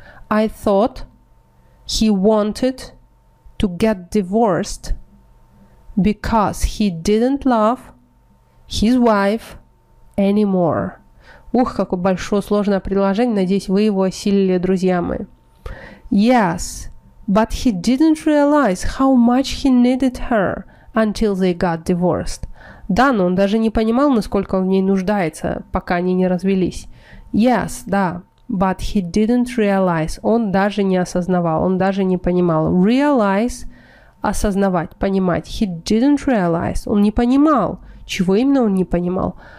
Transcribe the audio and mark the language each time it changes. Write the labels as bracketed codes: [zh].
[en] I thought he wanted to get divorced because he didn't love his wife anymore. [ru] Ух, какое большое сложное предложение, надеюсь, вы его осилили, друзья мои. [en] Yes, but he didn't realize how much he needed her until they got divorced. [ru] Да, но он даже не понимал, насколько он в ней нуждается, пока они не развелись. [en] Yes, [ru] да, [en] but he didn't realize, [ru] он даже не осознавал, он даже не понимал. Realize, осознавать, понимать. [en] He didn't realize, [ru] он не понимал, чего именно он не понимал.